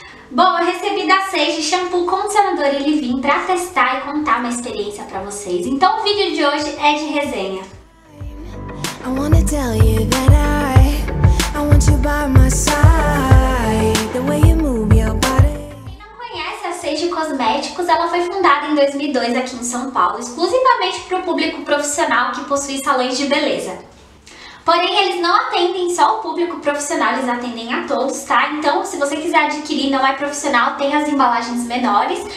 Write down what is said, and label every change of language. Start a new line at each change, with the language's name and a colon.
Portuguese: Bom, eu recebi da Sage shampoo, condicionador e leave-in pra testar e contar uma experiência pra vocês. Então o vídeo de hoje é de resenha.
English: I wanna tell you that I want you by my side. The way you move your body.
Portuguese: Quem não conhece a Sage Cosméticos, ela foi fundada em 2002 aqui em São Paulo, exclusivamente para o público profissional que possui salões de beleza. Porém, eles não atendem só o público profissional, eles atendem a todos, tá? Então, se você quiser adquirir, não é profissional, tem as embalagens menores.